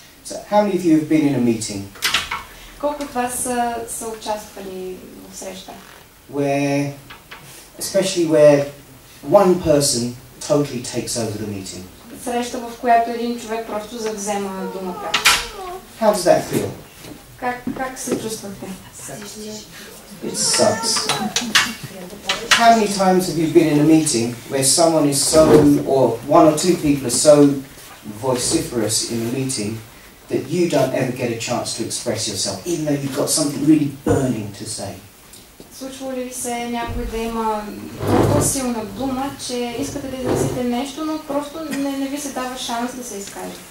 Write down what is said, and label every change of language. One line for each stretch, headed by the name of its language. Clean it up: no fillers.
English: So how many of you have been in a meeting?
Bulgarian: Колко от вас са участвали в среща?
English: Especially where one person totally takes over the meeting.
Bulgarian: Среща, в която един човек просто завзема думата.
English: How does that feel?
Bulgarian: Как се чувствате?
English: It sucks. How many times have you been in a meeting where someone is so, or one or two people are so vociferous in the meeting that you don't ever get a chance to express yourself, even though you've got something really burning to say?
Bulgarian: Случва ли се някой да има толкова силна дума, че искате да изразите нещо, но просто не ви се дава шанс да се изкаже?